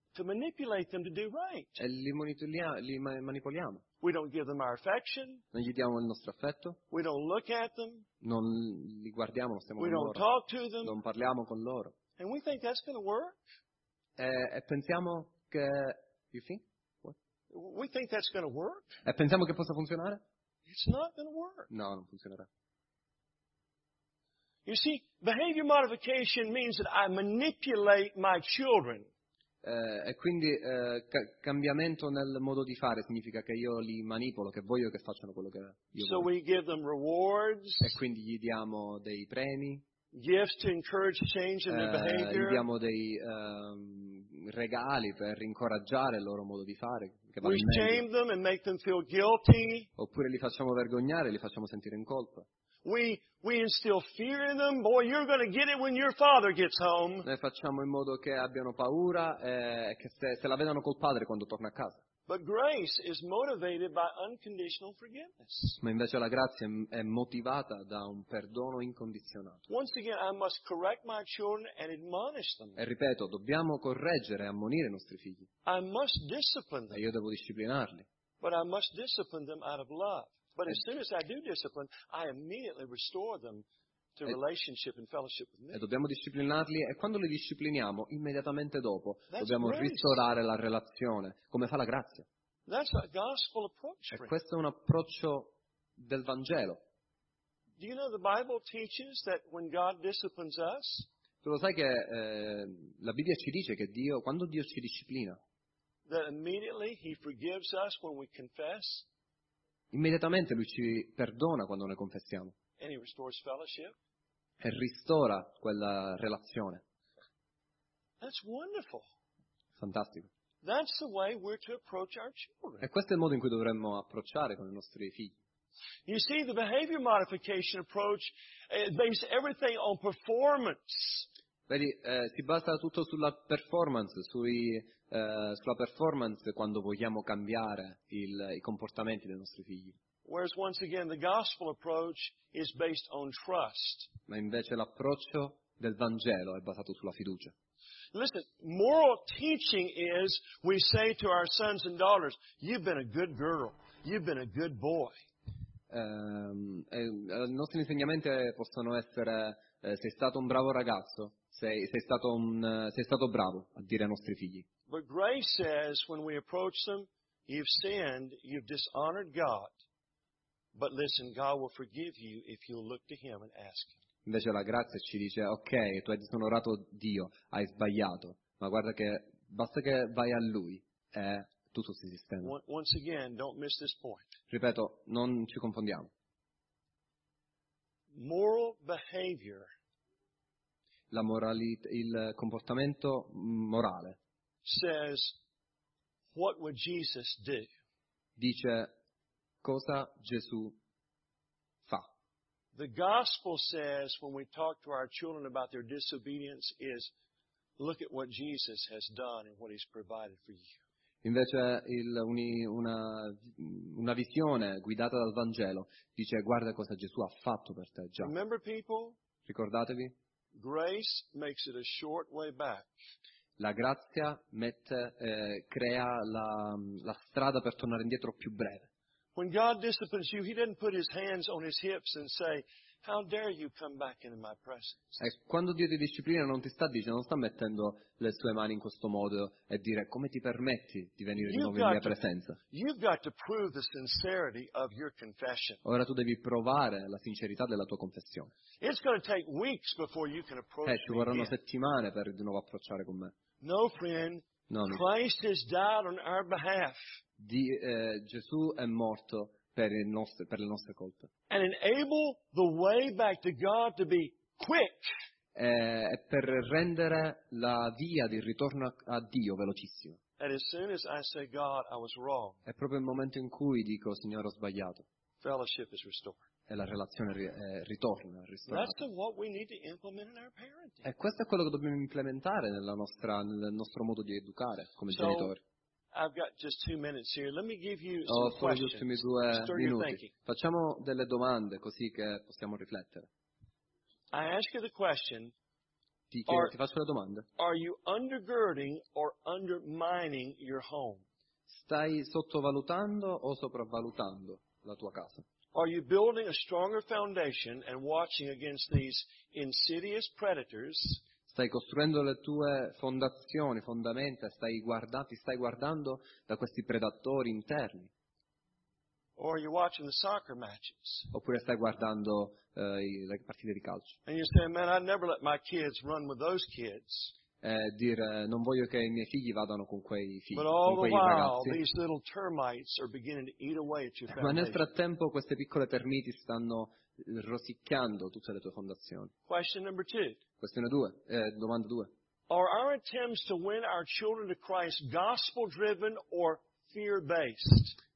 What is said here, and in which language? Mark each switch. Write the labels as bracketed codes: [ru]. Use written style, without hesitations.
[en] to manipulate them to do right. [it] E li manipoliamo, [en] we don't give them our affection, [it] non gli diamo il nostro affetto, [en] we don't look at them, [it] non li guardiamo, non stiamo [en] we [it] con [en] don't [it] loro, [en] talk to them, [it] non parliamo con loro, [en] and we think that's gonna work. [it] E pensiamo che [en] you think? We think that's going to work. [it] E pensiamo che possa funzionare? [en] It's not going to work. [it] No, non funzionerà. [en] You see, behavior modification means that I manipulate my children. [it] E quindi cambiamento nel modo di fare significa che io li manipolo, che voglio che facciano quello che io voglio. [en] So we give them rewards. [it] E quindi gli diamo dei premi. [en] Gifts to encourage change in their behavior. [it] Gli diamo dei regali per incoraggiare il loro modo di fare. [en] We shame them and make them feel guilty. [it] Oppure li facciamo vergognare, li facciamo sentire in colpa. [en] We instill fear in them. Boy, you're going to get it when your father gets home. [it] Noi facciamo in modo che abbiano paura e che se la vedano col padre quando torna a casa. [en] But grace is motivated by unconditional forgiveness. [it] Ma invece la grazia è motivata da un perdono incondizionato. [en] Once again, I must correct my children and admonish them. [it] E ripeto, dobbiamo correggere e ammonire i nostri figli. [en] I must discipline them. [it] E io devo disciplinarli. [en] But I must discipline them out of love. But as soon as I do discipline, I immediately restore them to relationship and fellowship with me. [it] E dobbiamo disciplinarli e quando li discipliniamo immediatamente dopo dobbiamo ristorare la relazione come fa la grazia. [en] That's a gospel approach. [it] E questo è un approccio del Vangelo. [en] Do you know the Bible teaches that when God disciplines us? [it] Tu lo sai che la Bibbia ci dice che Dio quando Dio ci disciplina [en] that immediately he forgives us when we confess. [it] Immediatamente lui ci perdona quando noi confessiamo. [en] And he restores fellowship. [it] E ristora quella relazione. [en] That's wonderful. [it] Fantastico. [en] That's the way we're to approach our children. [it] E questo è il modo in cui dovremmo approcciare con i nostri figli. [en] You see, the behavior modification approach based everything on performance. [it] Vedi, si basa tutto sulla performance, sulla performance quando vogliamo cambiare i comportamenti dei nostri figli. [en] Whereas once again the gospel approach is based on trust. [it] Ma invece l'approccio del Vangelo è basato sulla fiducia. [en] Listen, moral teaching is we say to our sons and daughters, you've been a good girl, you've been a good boy. [it] I nostri insegnamenti possono essere: sei stato un bravo ragazzo, sei stato bravo a dire ai nostri figli. [en] But grace says when we approach them, you've sinned, you've dishonored God. But listen, God will forgive you if you'll look to Him and ask Him. [it] Invece la grazia ci dice: ok, tu hai disonorato Dio, hai sbagliato, ma guarda che basta che vai a Lui e tutto si sistema. [en] Once again, don't miss this point. [it] Ripeto, non ci confondiamo. [en] Moral behavior. [it] La moralità, il comportamento morale. [en] Says, what would Jesus do? [it] Dice cosa Gesù fa. [en] The gospel says when we talk to our children about their disobedience is, look at what Jesus has done and what He's provided for you. [it] Invece una visione guidata dal Vangelo dice guarda cosa Gesù ha fatto per te già. [en] Remember people? [it] Ricordatevi. [en] Grace makes it a short way back. [it] La grazia crea la strada per tornare indietro più breve. [en] When God disciplines you, He didn't put His hands on His hips and say, how dare you come back into my presence? [it] Quando Dio ti disciplina non ti sta dicendo, non sta mettendo le sue mani in questo modo e dire come ti permetti di venire di nuovo in mia presenza. [en] You've got to prove the sincerity of your confession. [it] Ora tu devi provare la sincerità della tua confessione. [en] It's going to take weeks before you can approach me. [it] Ci vorranno settimane per di nuovo approcciare con me. [en] No, friend. Christ has died on our behalf. [it] Gesù è morto. Per le nostre colpe. [en] And enable the way back to God to be quick. [it] Per rendere la via di ritorno a Dio velocissima. [en] And as soon as I say God, I was wrong. [it] È proprio il momento in cui dico Signore ho sbagliato. [en] Fellowship is restored. [it] E la relazione ritorna, ristorata. [en] That's what we need to implement in our parenting. [it] E questo è quello che dobbiamo implementare nel nostro modo di educare come genitori. [en] I've got just 2 minutes here. Let me give you some questions. [it] Due minuti. Facciamo delle domande così che possiamo riflettere. [en] I ask you the question. [it] Ti faccio la domanda. [en] Are you undergirding or undermining your home? [it] Stai sottovalutando o sopravvalutando la tua casa? [en] Are you building a stronger foundation and watching against these insidious predators? [it] Stai costruendo le tue fondazioni, fondamenta, stai guardando da questi predatori interni. [en] Or you're watching the soccer matches. [it] Oppure stai guardando le partite di calcio. [en] And you say, man, I'd never let my kids run with those kids. [it] Dire, non voglio che i miei figli vadano con quei figli, [en] but all [it] con quei [en] the while, [it] ragazzi. [en] These little termites are beginning to eat away at your family. [it] Ma nel frattempo queste piccole termiti stanno rosicchiando tutte le tue fondazioni. [en] Question number two. [it] Questione due, domanda due. [en] Are our attempts to win our children to Christ gospel-driven or fear-based?